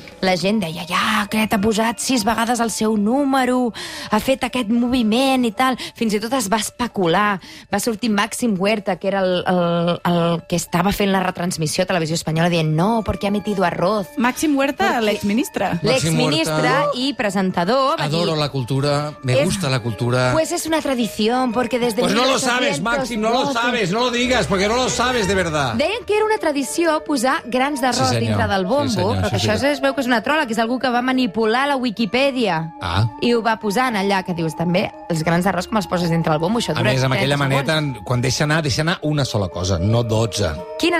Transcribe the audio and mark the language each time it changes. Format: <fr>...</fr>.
<ca>La gent deia, ja, aquest ha posat 6 vegades el seu número, ha fet aquest moviment i tal. Fins i tot es va especular. Va sortir Màxim Huerta, que era el que estava fent la retransmissió a Televisió Espanyola, dient, no, perquè</ca> <es>ha metido arroz.</es> <ca>Màxim Huerta, perquè... l'exministre i presentador.</ca> <es>Adoro la cultura, me gusta la cultura. Pues es una tradición, porque desde... Pues no lo sabes, Màxim, no lo sabes, no lo digas, porque no lo sabes de verdad.</es> <ca>Deien que era una tradició posar grans d'arroz dintre del bombo, però això es veu és una trola, que és algú que va manipular la Wikipedia i ho va posant allà, que dius també, els grans d'arròs com els poses dintre el bombo, això dura... A més, amb aquella maneta, quan deixa anar una sola cosa, no 12.</ca>